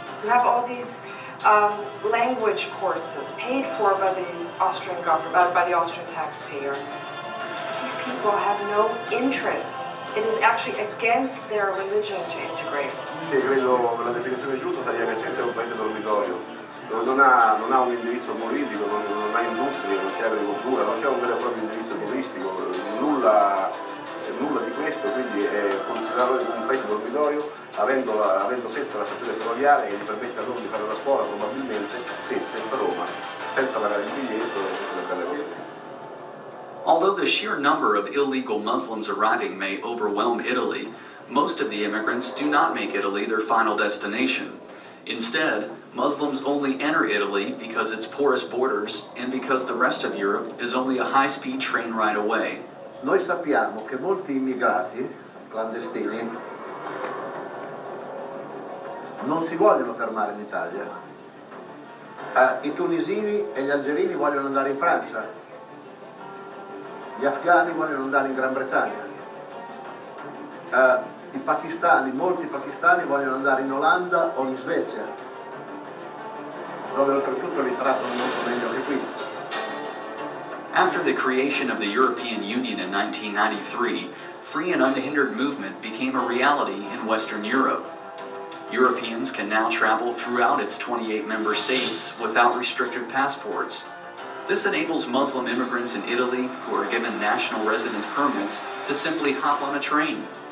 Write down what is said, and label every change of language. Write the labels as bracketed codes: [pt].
[en] You have all these language courses paid for by the Austrian government, by the Austrian taxpayer. These people have no interest. It is actually against their religion to integrate. [it] Io credo che la definizione giusta sarebbe che senza un paese dormitorio, non ha un indirizzo politico, non ha industria, non c'è agricoltura, non c'è un vero e proprio indirizzo turistico, nulla di questo, quindi è considerato un paese dormitorio, avendo senza la stazione ferroviaria che gli permette a loro di fare la scuola, probabilmente senza Roma, senza pagare il biglietto e tutte le belle cose. [en] Although the sheer number of illegal Muslims arriving may overwhelm Italy, most of the immigrants do not make Italy their final destination. Instead, Muslims only enter Italy because its porous borders and because the rest of Europe is only a high-speed train ride away. [it] Noi sappiamo che molti immigrati clandestini non si vogliono fermare in Italia. I tunisini e gli algerini vogliono andare in Francia. Gli afghani vogliono andare in Gran Bretagna. I pakistani, molti pakistani vogliono andare in Olanda o in Svezia, dove oltretutto li trattano molto meglio che qui. [en] After the creation of the European Union in 1993, free and unhindered movement became a reality in Western Europe. Europeans can now travel throughout its 28 member states without restricted passports. This enables Muslim immigrants in Italy who are given national residence permits to simply hop on a train.